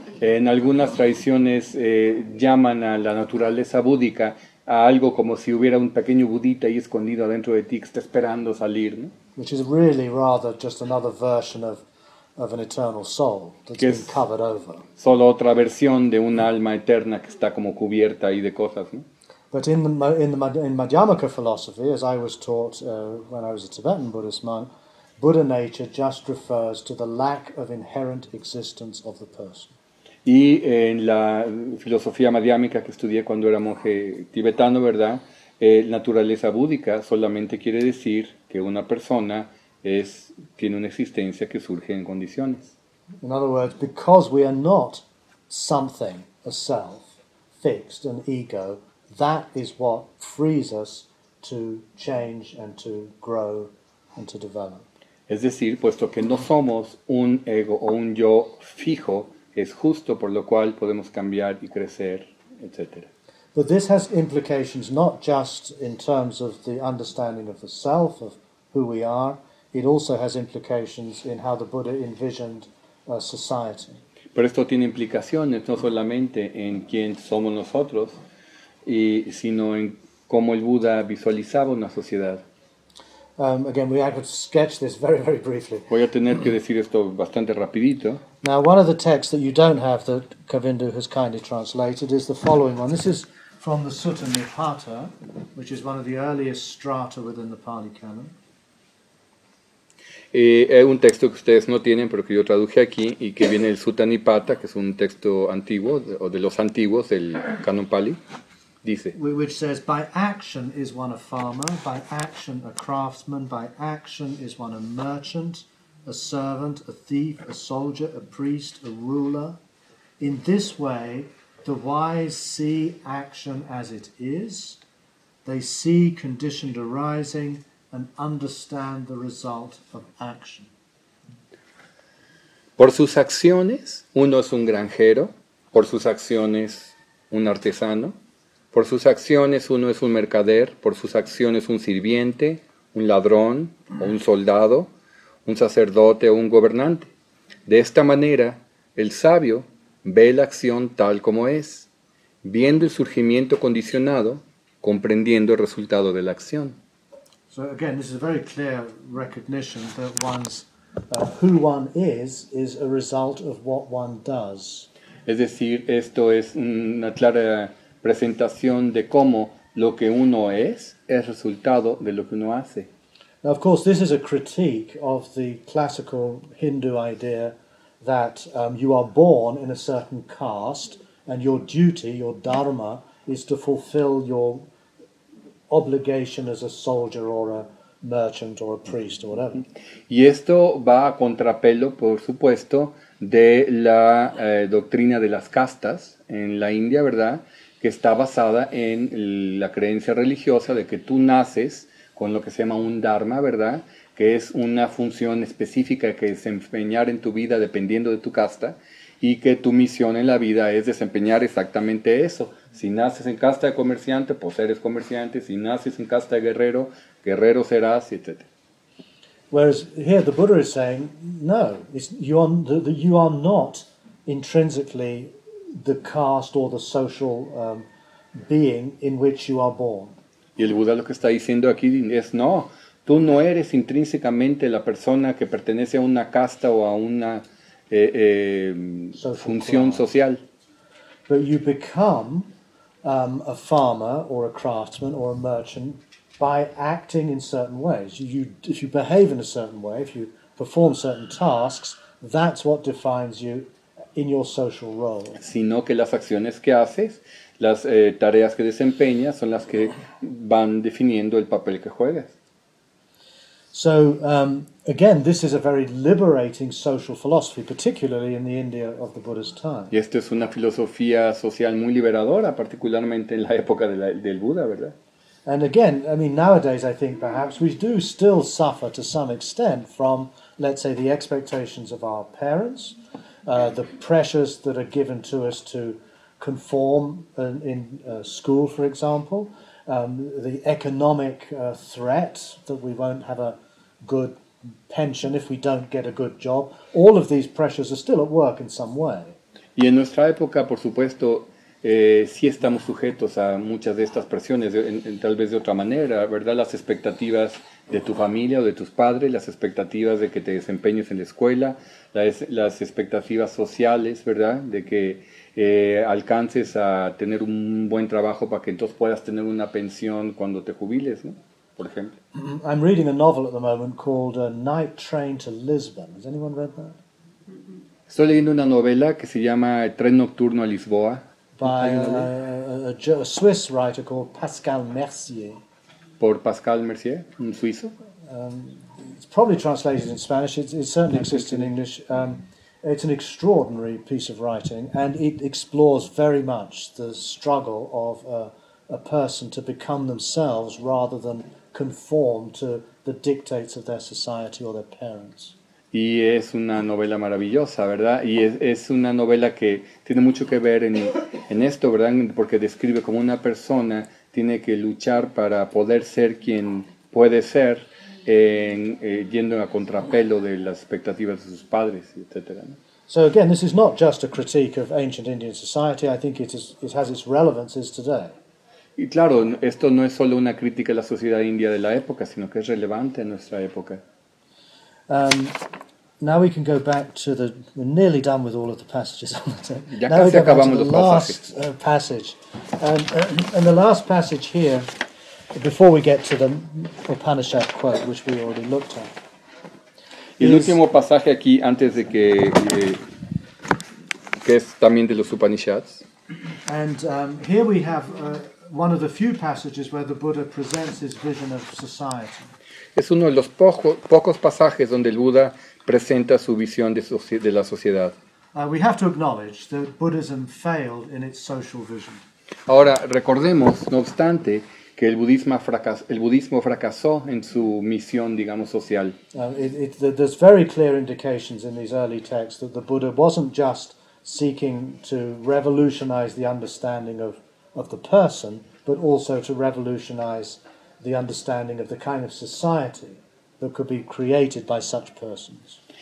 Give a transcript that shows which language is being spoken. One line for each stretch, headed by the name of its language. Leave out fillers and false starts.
Spanish: En algunas tradiciones llaman a la naturaleza búdica a algo como si hubiera un pequeño budita ahí escondido adentro de ti que está esperando salir, ¿no?
English: Which is really rather just another version of an eternal soul that's been covered over.
Spanish: Solo otra versión de un alma eterna que está como cubierta ahí de cosas, ¿no?
English: But in Madhyamaka philosophy, as I was taught when I was a Tibetan Buddhist monk, Buddha nature just refers to the lack of inherent existence of the person.
Spanish: Y en la filosofía madhyamika que estudié cuando era monje tibetano, ¿verdad? Naturaleza búdica solamente quiere decir que una persona tiene una existencia que surge en condiciones.
English: In other words, because we are not something, a self, fixed, an ego, that is what frees us to change and to grow and to develop.
Spanish: Es decir, puesto que no somos un ego o un yo fijo, es justo por lo cual podemos cambiar y crecer, etc.
English: But this has implications not just in terms of the understanding of the self, of who we are, it also has implications in how the Buddha envisioned a society.
Spanish: Pero esto tiene implicaciones no solamente en quién somos nosotros, sino en cómo el Buda visualizaba una sociedad.
English: Again, we have to sketch this very, very briefly.
Spanish: Voy a tener que decir esto bastante rapidito.
English: Now, one of the texts that you don't have that Kavindu has kindly translated is the following one. This is from the Sutta Nipata, which is one of the earliest strata within the Pali canon.
Spanish: Un texto que ustedes no tienen, pero que yo traduje aquí, y que viene del Sutta Nipata, que es un texto antiguo, o de los antiguos, del canon Pali, dice...
English: Which says, by action is one a farmer, by action a craftsman, by action is one a merchant, a servant, a thief, a soldier, a priest, a ruler. In this way, the wise see action as it is. They see conditioned arising, and understand the result of action.
Spanish: Por sus acciones, uno es un granjero. Por sus acciones, un artesano. Por sus acciones, uno es un mercader. Por sus acciones, un sirviente, un ladrón, o un soldado, un sacerdote o un gobernante. De esta manera, el sabio ve la acción tal como es, viendo el surgimiento condicionado, comprendiendo el resultado de la acción.
English: So again, this is a very clear recognition that one's who one is a result of what one does.
Spanish: Es decir, esto es una clara presentación de cómo lo que uno es resultado de lo que uno hace.
English: Now, of course, this is a critique of the classical Hindu idea that you are born in a certain caste and your duty, your dharma, is to fulfill your obligation as a soldier or a merchant or a priest or whatever.
Spanish: Y esto va a contrapelo, por supuesto, de la doctrina de las castas en la India, ¿verdad? Que está basada en la creencia religiosa de que tú naces con lo que se llama un dharma, ¿verdad? Que es una función específica que desempeñar en tu vida dependiendo de tu casta, y que tu misión en la vida es desempeñar exactamente eso. Si naces en casta de comerciante, pues eres comerciante. Si naces en casta de guerrero, guerrero serás, etc.
English: Whereas here the Buddha is saying, no, you are not intrinsically the caste or the social being in which you are born.
Spanish: Y el Buda lo que está diciendo aquí es, no, tú no eres intrínsecamente la persona que pertenece a una casta o a una función social.
English: But you become a farmer or a craftsman or a merchant by acting in certain ways. If you behave in a certain way, if you perform certain tasks, that's what defines you in your social role.
Spanish: Sino que las acciones que haces, las tareas que desempeñas, son las que van definiendo el papel que juegas.
English: So, again, this is a very liberating social philosophy, particularly in the India of the Buddha's time.
Spanish: Y esto es una filosofía social muy liberadora, particularmente en la época del Buda, ¿verdad?
English: And again, I mean, nowadays I think perhaps we do still suffer to some extent from, let's say, the expectations of our parents, the pressures that are given to us to conform in school, for example, the economic threat that we won't have a good pension if we don't get a good job. All of these pressures are still at work in some way.
Spanish: Y en nuestra época, por supuesto, sí estamos sujetos a muchas de estas presiones, tal vez de otra manera, ¿verdad? Las expectativas de tu familia o de tus padres, las expectativas de que te desempeñes en la escuela, las expectativas sociales, ¿verdad? De que alcances a tener un buen trabajo para que entonces puedas tener una pensión cuando te jubiles, ¿no? Por ejemplo.
English: I'm reading a novel at the moment called Night Train to Lisbon. Has anyone read that?
Spanish: Estoy leyendo una novela que se llama Tren Nocturno a Lisboa.
English: By a Swiss writer called Pascal Mercier.
Spanish: Por Pascal Mercier, un suizo.
English: It's probably translated in Spanish. It certainly exists in English. It's an extraordinary piece of writing, and it explores very much the struggle of a person to become themselves rather than conform to the dictates of their society or their parents.
Spanish: Y es una novela maravillosa, ¿verdad? Y es una novela que tiene mucho que ver en esto, ¿verdad? Porque describe cómo una persona tiene que luchar para poder ser quien puede ser yendo a contrapelo de las expectativas de sus padres, etc.
English: So again, this is not just a critique of ancient Indian society. I think it has its relevances today.
Spanish: Y claro, esto no es solo una crítica a la sociedad india de la época, sino que es relevante en nuestra época.
English: Now we can go back to the... We're nearly done with all of the passages on the text.
Spanish: Ya
English: now
Spanish: casi
English: we go
Spanish: acabamos
English: back to the last passage. And the last passage here, before we get to the Upanishad quote, which we already looked at.
Spanish: El último pasaje aquí, antes de que... que es también de los Upanishads.
English: And here we have one of the few passages where the Buddha presents his vision of society.
Spanish: Es uno de los pocos pasajes donde el Buda presenta su visión de la sociedad.
English: We have to acknowledge that Buddhism failed in its social vision.
Spanish: Ahora, recordemos, no obstante, que el budismo fracasó en su misión, digamos, social.
English: There's very clear indications in these early texts that the Buddha wasn't just seeking to revolutionize the understanding of the person, but also to revolutionize the understanding of the kind of society that could be created by such persons.